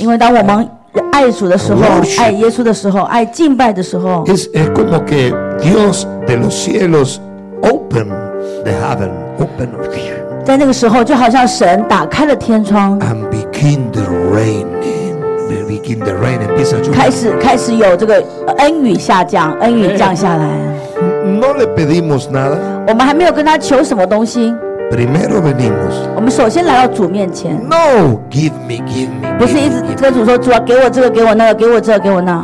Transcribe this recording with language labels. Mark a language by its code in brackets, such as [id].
[zh] 因为当我们爱主的时候，爱耶稣的时候，爱敬拜的时候 [es] ，es como que Dios de los cielos [en] open the heaven, open up here. [zh] 在那个时候，就好像神打开了天窗 [en] ，and begin the rain, and begin the rain, and [zh] 开始有这个恩雨下降，恩雨降下来。 [es] No le pedimos nada. [zh] 我们还没有跟他求什么东西。 [es] Primero venimos. [zh] 我们首先来到主面前。 [en] No, give me, give me. [zh] 不是一直跟主说，主啊，给我这个，给我那个，给我这个，给我那。